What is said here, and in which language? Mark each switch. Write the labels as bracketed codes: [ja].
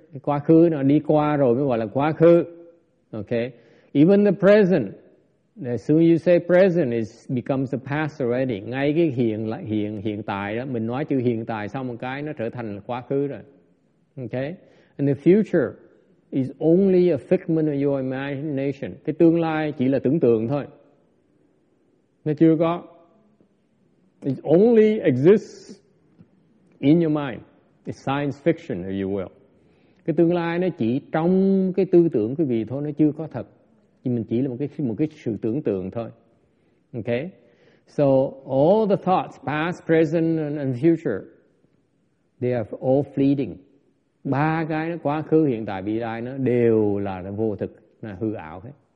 [vi] Quá khứ nó đi qua rồi, mới gọi là quá khứ. [en] Okay? Even the present. As soon as you say present, it becomes the past already. [vi] Ngay cái hiện tại đó, mình nói chữ hiện tại xong một cái, nó trở thành quá khứ rồi. [en] Okay? And the future is only a figment of your imagination. [vi] Cái tương lai chỉ là tưởng tượng thôi. Nó chưa có. [en] It only exists in your mind. It's science fiction, if you will. [vi] Cái tương lai nó chỉ trong cái tư tưởng quý vị thôi, nó chưa có thật. Mình chỉ là một cái sự tưởng tượng thôi. [en] Okay? So all the thoughts, past, present and future, they are all fleeting. [vi] Ba cái nó quá khứ, hiện tại, vị lai nó đều là nó vô thực, là hư ảo hết.